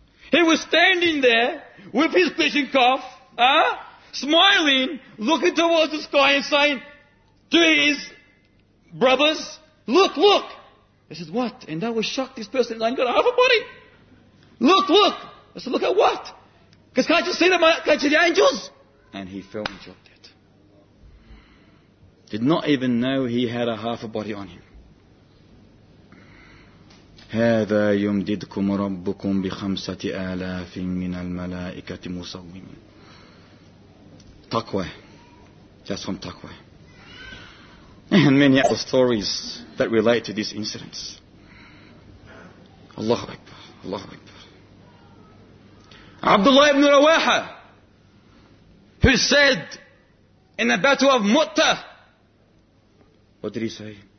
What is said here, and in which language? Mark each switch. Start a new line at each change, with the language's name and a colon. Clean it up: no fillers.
English: He was standing there with his Kalashnikov, smiling, looking towards the sky and saying to his brothers, look, look. I said, what? And that was shocked. This person, I ain't got half a body. Look, look. I said, look at what? Because can't you see them? Can't you see the angels? And he fell and dropped dead. Did not even know he had a half a body on him.
Arabic: هذا يمددكم ربكم بخمسة آلاف من الملائكة مسومين.
English: Taqwa. That's from Taqwa. And many other stories that relate to these incidents. Allahu Akbar. Allahu Akbar. Abdullah ibn Rawaha, who said in the battle of Mu'ta, what did he say?